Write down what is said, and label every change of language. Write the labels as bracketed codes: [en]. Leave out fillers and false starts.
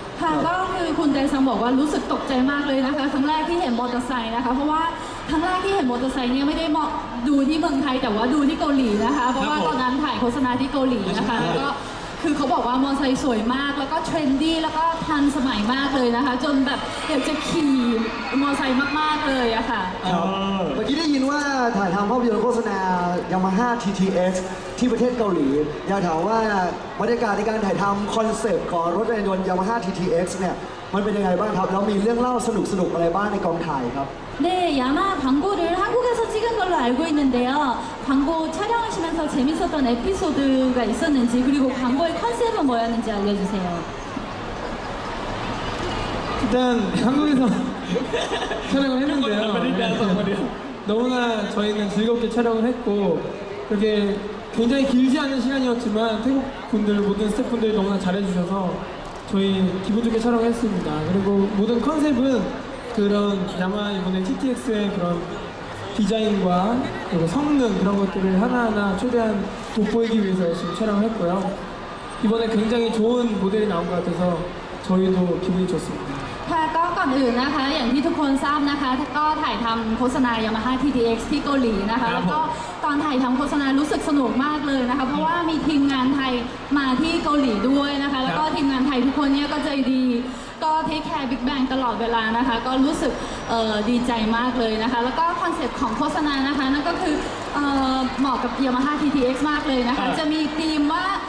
[th] ค่ะก็คือคุณแดงซังบอกว่ารู้สึกตกใจมากเลยนะคะครั้งแรกที่เห็นมอเตอร์ไซค์นะคะเพราะว่าครั้งแรกที่เห็นมอเตอร์ไซค์เนี่ยไม่ได้มองดูที่เมืองไทยแต่ว่าดูที่เกาหลีนะคะเพราะว่าตอนนั้นถ่ายโฆษณาที่เกาหลีนะคะก็คือเขาบอกว่ามอเตอร์ไซค์สวยมากแล้วก็เทรนดี้แล้วก็ทันสมัยมากเลยนะคะจนแบบอยากจะขี่มอเตอร์ไซค์มากๆเลยอะค่ะ เมื่อกี้ได้ยินว่าถ่ายทำภาพยนตร์โฆษณา Yamaha TTX ที่ประเทศเกาหลีอยากถามว่าบรรยากาศในการถ่ายทำคอนเซปต์ของรถจักรยานยนต์ Yamaha TTX เนี่ยมันเป็นยังไงบ้างครับแล้วมีเรื่องเล่าสนุกๆอะไรบ้างในกองถ่ายครับ [ko] 네 Yamaha 광고를 한국에서 찍은 걸로 알고 있는데요 광고 촬영하시면서 재밌었던 에피소드가 있었는지 그리고 광고의 컨셉은 뭐였는지 알려주세요 일단 한국에서 촬영을 했는데요 너무나 저희는 즐겁게 촬영을 했고 그렇게 굉장히 길지 않은 시간이었지만 태국 분들 모든 스태프 분들 너무나 잘해주셔서 저희 기분 좋게 촬영을 했습니다 그리고 모든 컨셉은그런야마이번에 TTX 의그런디자인과그리고성능그런것들을하나하나최대한돋보이기위해서지금촬영을했고요이번에굉장히좋은모델이나온것같아서저희도기분이좋습니다 [th] ค่ะก็ก่อนอื่นนะคะอย่างที่ทุกคนทราบนะคะก็ถ่ายทําโฆษณา Yamaha TTX ที่เกาหลีนะคะแล้วก็ตอนถ่ายทําโฆษณารู้สึกสนุกมากเลยนะคะเพราะว่ามีทีมงานไทยมาที่เกาหลีด้วยนะคะแล้วก็ทีมงานไทยทุกคนเนี่ยก็ใจดีก็เทคแคร์บิ๊กแบงตลอดเวลานะคะก็รู้สึกดีใจมากเลยนะคะแล้วก็คอนเซ็ปต์ของโฆษณานะคะนั่นก็คือเหมาะกับ Yamaha TTX มากเลยนะคะจะมีธีมว่า